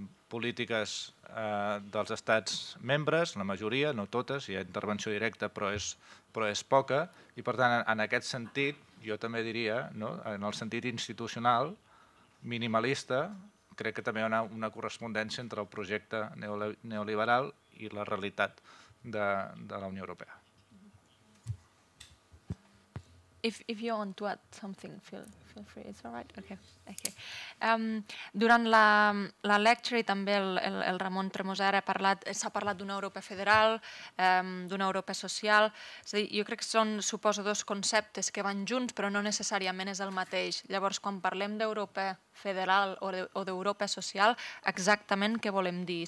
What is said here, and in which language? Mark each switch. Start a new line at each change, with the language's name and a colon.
Catalan: polítiques dels estats membres, la majoria, no totes, hi ha intervenció directa, però és poca, i per tant, en aquest sentit, jo també diria, no, en el sentit institucional, minimalista, crec que també hi ha una correspondència entre el projecte neoliberal i la realitat de la Unió Europea.
English: If you want to add something, feel free. It's all right. Okay.
Catalan: Durant la lecture, també el Ramon Tremosa s'ha parlat d'una Europa federal, d'una Europa social. És a dir, jo crec que són, suposo, dos conceptes que van junts, però no necessàriament és el mateix. Llavors, quan parlem d'Europa federal o d'Europa social, exactament què volem dir?